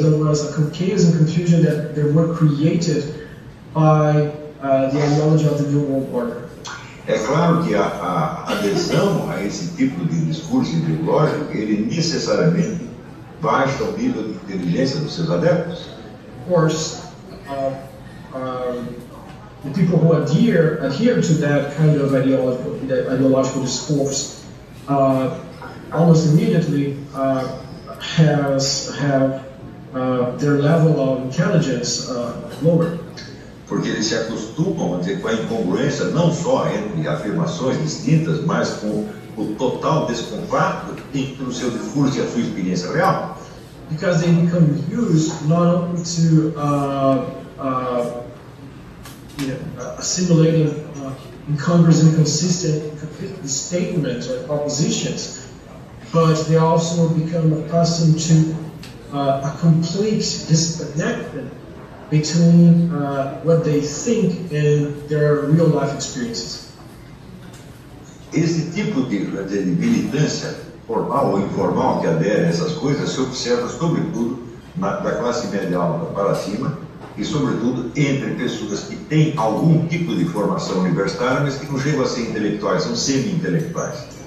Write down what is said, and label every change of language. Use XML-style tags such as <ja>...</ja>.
<en>There was a chaos and confusion that they were created by the ideology of the New World Order.</en> <pt>É claro que a adesão a esse tipo de discurso ideológico, ele necessariamente baixa o nível de inteligência dos seus adeptos.</pt> <en>Of course, the people who adhere to that kind of ideological discourse almost immediately have their level of intelligence lowered.</en> <pt>Porque eles se acostumam a dizer, com a incongruência não só entre afirmações distintas, mas com o total descompacto entre o seu discurso e a sua experiência real.</pt> <en>Because they become used not only to assimilating incongruous and inconsistent statements or propositions, but they also become accustomed to a complete disconnection between what they think and their real life experiences.</en> <pt>Esse tipo de militância formal ou informal que adere a essas coisas se observa sobretudo da classe média alta para cima e sobretudo entre pessoas que têm algum tipo de formação universitária, mas que não chegam a ser intelectuais, são semi-intelectuais.</pt>